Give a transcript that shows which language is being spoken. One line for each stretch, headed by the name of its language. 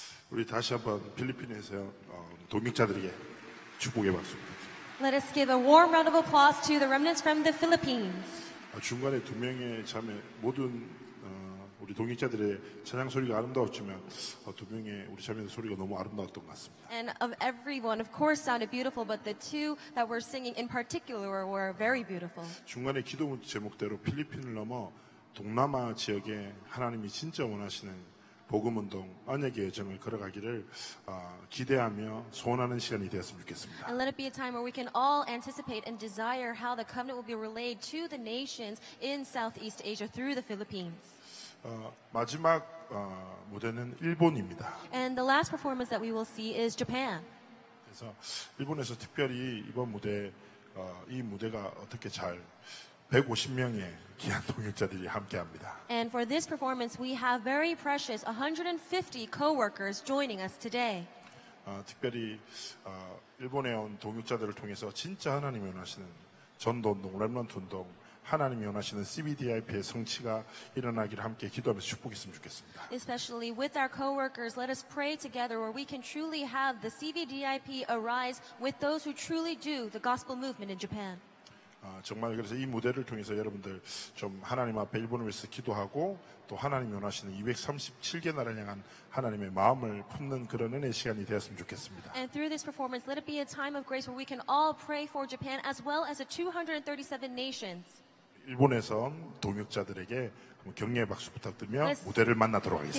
Korean: 우리 다시 한번 필리핀에서 독립자들에게 축복의 박수.
English: Let us give a warm round of applause to the remnants from the Philippines.
Korean: 중간에 두 명의 자매 모든 우리 독립자들의 찬양 소리가 아름다웠지만 두 명의 우리 자매들 소리가 너무 아름다웠던 것 같습니다.
English: And of everyone, of course, sounded beautiful, but the two that were singing in particular were very beautiful.
Korean: 중간에 기도 제목대로 필리핀을 넘어 동남아 지역에 하나님이 진짜 원하시는 복음 운동 언약의 여정을 걸어가기를 기대하며 소원하는 시간이 되었으면 좋겠습니다.
English: And let it be a time where we can all anticipate and desire how the covenant will be relayed to the nations in Southeast Asia through the Philippines.
Korean: 마지막 무대는 일본입니다.
English: And the last performance that we will see is Japan.
Korean: 그래서 일본에서 특별히 이번 무대 이 무대가 어떻게 잘 150명의 귀한 동역자들이 함께합니다.
English: And for this performance, we have very precious 150 co-workers joining us today.
Korean: 특별히 일본에 온 동역자들을 통해서 진짜 하나님이 원하시는 전도 운동, 렘넌트 운동, 하나님이 원하시는 CBDIP의 성취가 일어나기를 함께 기도하면서 축복했으면 좋겠습니다.
English: Especially with our co-workers, let us pray together where we can truly have the CBDIP arise with those who truly do the gospel movement in Japan.
Korean: 정말 그래서 이 무대를 통해서 여러분들 좀 하나님 앞에 일본을 위해서 기도하고 또 하나님이 원하시는 237개 나라를 향한 하나님의 마음을 품는 그런 은혜 시간이 되었으면 좋겠습니다.
English: And through this performance, let it be a time of grace where we can all pray for Japan as well as the 237 nations.
Korean: 일본에서 동역자들에게 격려의 박수 부탁드리며
English: Let's
Korean: 무대를 만나도록 하겠습니다.